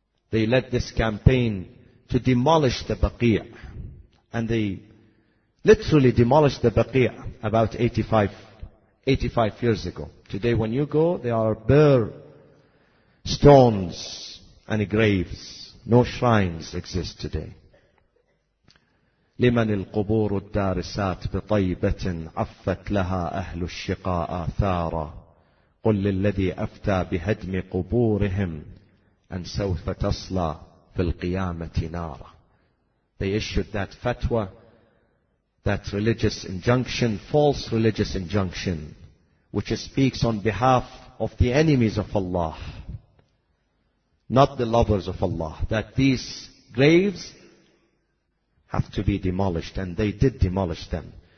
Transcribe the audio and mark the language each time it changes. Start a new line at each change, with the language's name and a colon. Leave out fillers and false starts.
English: They led this campaign to demolish the Baqi'a, and they literally demolished the Baqi'a about 85 years ago. Today, when you go, there are bare stones and graves. No shrines exist today.
Arabic: لمن القبور الدارسات بطيبة عفت لها أهل الشقاء آثارا قل للذي أفتى بهدم قبورهم أن سوف تصلى في القيامة نارا.
English: They issued that fatwa, that religious injunction, false religious injunction, which speaks on behalf of the enemies of Allah, not the lovers of Allah, that these graves have to be demolished, and they did demolish them.